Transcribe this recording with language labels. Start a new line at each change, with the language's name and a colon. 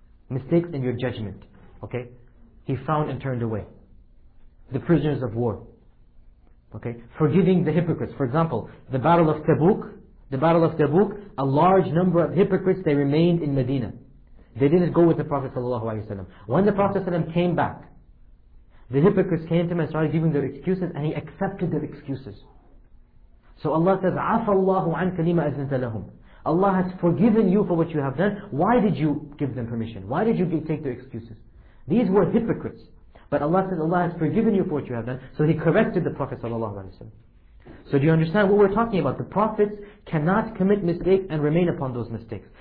English: Mistakes in your judgment. Okay? He frowned and turned away. The prisoners of war. Okay? Forgiving the hypocrites. For example, the Battle of Tabuk, a large number of hypocrites, they remained in Medina. They didn't go with the Prophet ﷺ. When the Prophet ﷺ came back, the hypocrites came to him and started giving their excuses, and he accepted their excuses. So Allah says,
Arabic: عَفَى اللَّهُ عَنْكَ لِمَا أَذْنَتَ لَهُمْ.
English: Allah has forgiven you for what you have done. Why did you give them permission? Why did you take their excuses? These were hypocrites. But Allah says, Allah has forgiven you for what you have done. So He corrected the Prophet ﷺ. So do you understand what we're talking about? The Prophets cannot commit mistakes and remain upon those mistakes.